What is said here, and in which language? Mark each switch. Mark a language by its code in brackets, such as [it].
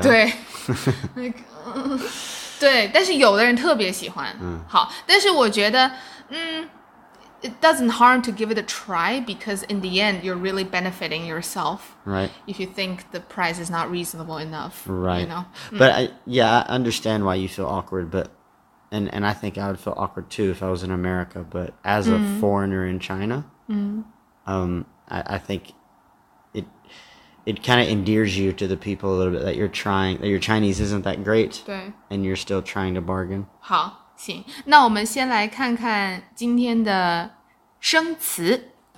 [zh] 对，对，但是有的人特别喜欢。好，但是我觉得， [en] it doesn't harm to give it a try because in the end, you're really benefiting yourself. Right. If you think the price is not reasonable enough. Right. You know. But I understand why you feel awkward, but and I think I would feel awkward too if I was in America. But as a foreigner in China, I think it. It kind of endears you to the people a little bit that you're trying, that your Chinese isn't that great, and you're still trying to bargain. [zh] 好，行，那我们先来看看今天的生词。